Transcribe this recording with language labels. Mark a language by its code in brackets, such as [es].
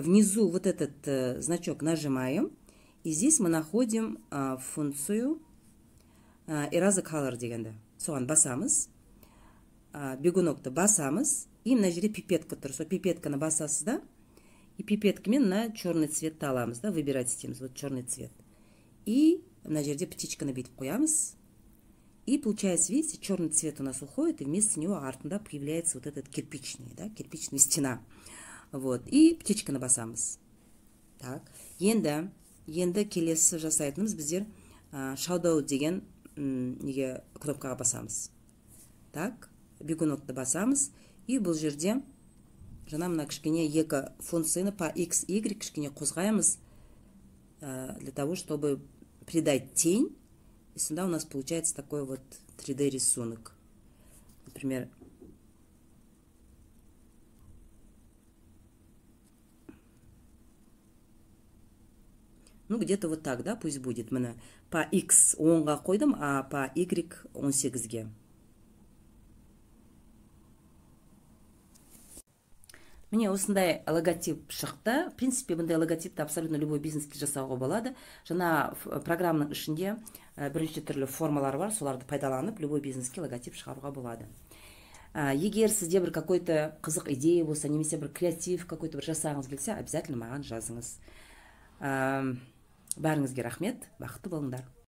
[ru] Внизу вот этот значок нажимаем. И здесь мы находим функцию Erase Color дегенді. [kk] Соған басамыз. Бегунокты басамыз. [ru] И [kk] мына жерде пипетка тұр. Сол пипетканы басасыз, да? И пипеткамен мына черный цвет аламыз, да? [ru] Выбирать [kk] істейміз. [ru] Вот черный цвет. [kk] И мына жерде птичканы бүйтіп қоямыз. [ru] И получается, видите, черный цвет у нас уходит, и вместо него артында появляется вот этот кирпичный, да, кирпичная стена. Вот, и птичка на басамыз. [kk] Так, енді келесі жасайтынымыз біздер шаудау деген неге кнопкаға басамыз. Так, бегунокты басамыз. И бұл жерде жана мына кішкене екі функцияны по x, y кішкене қозғаймыз [ru] для того, чтобы придать тень. И сюда у нас получается такой вот 3D рисунок. Например. Ну, где-то вот так, да, пусть будет. Мне по X он гакойдам, а по Y он сегзге. [kk] Міне осындай логотип шықты. [ru] В принципе, [kk] бұндай логотипті абсолютно любой бизнеске жасауға болады. Жаңа программаның ішінде бірінші түрлі формалар бар, соларды пайдаланып, любой бизнеске логотип шығаруға болады. Егер сізде бір какой-то қызық идея болса, немесе бір креатив какой-то бір жасағыңыз келсе, обязательно маған жазыңыз. Бәріңізге рахмет, бақытты болыңдар.